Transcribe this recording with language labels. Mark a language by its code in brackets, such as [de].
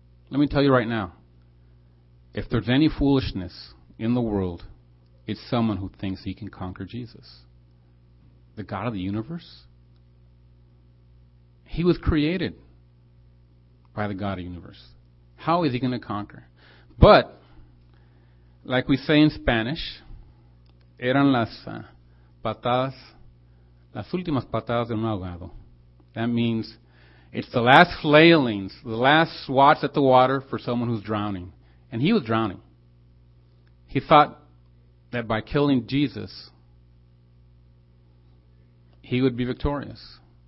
[en] Let me tell you right now, if there's any foolishness in the world, it's someone who thinks he can conquer Jesus. The God of the universe? He was created by the God of the universe. How is he going to conquer? But, like we say in Spanish, [es] eran las patadas, las últimas patadas de un ahogado. [en] That means it's the last flailings, the last swats at the water for someone who's drowning. And he was drowning. He thought that by killing Jesus, he would be victorious.